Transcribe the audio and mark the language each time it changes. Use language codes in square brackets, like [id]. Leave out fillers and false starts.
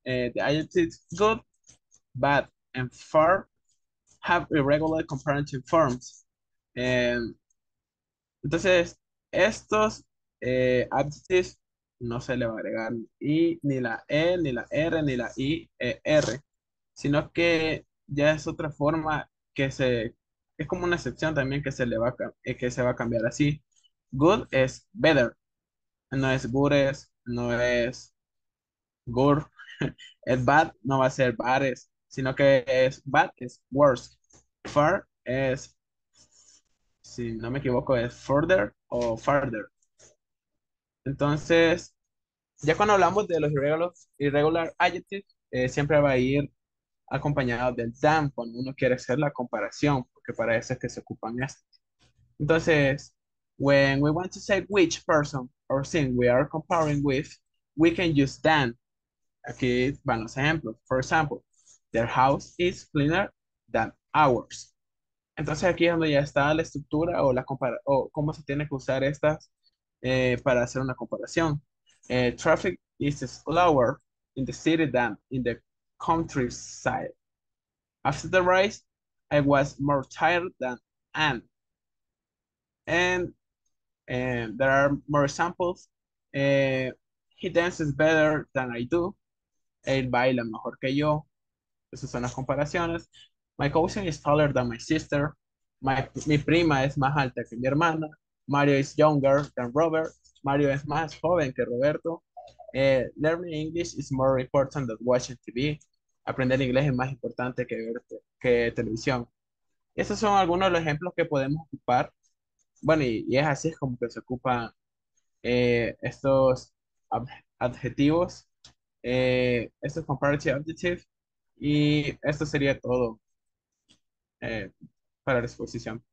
[en] The adjectives good, bad, and far have irregular comparative forms. [es] Entonces, estos adjectives no se le va a agregar I, ni la E, ni la R, ni la I, R, sino que ya es otra forma que se, es como una excepción también que se le va a, que se va a cambiar así. Good es better. No es good, es, no es good, es bad, no va a ser bad, es, sino que es bad, es worse. Far es, si no me equivoco, es further o farther. Entonces, ya cuando hablamos de los irregular adjectives, siempre va a ir acompañado del than cuando uno quiere hacer la comparación, porque para eso es que se ocupan estos. [en] Entonces, when we want to say which person or thing we are comparing with, we can use than. [es] Aquí van los ejemplos. [en] For example, their house is cleaner than ours. [es] Entonces aquí es donde ya está la estructura o, la compara o cómo se tiene que usar estas para hacer una comparación. [en] Traffic is slower in the city than in the countryside. After the race, I was more tired than Anne. And there are more examples. He dances better than I do. [es] Él baila mejor que yo. Esas son las comparaciones. [en] My cousin is taller than my sister. [es] Mi prima es más alta que mi hermana. [en] Mario is younger than Robert. [es] Mario es más joven que Roberto. [en] Learning English is more important than watching TV. [es] Aprender inglés es más importante que ver que televisión. Esos son algunos de los ejemplos que podemos ocupar. Bueno, y es así como que se ocupan estos adjetivos. Esto es comparative adjective y esto sería todo para la exposición.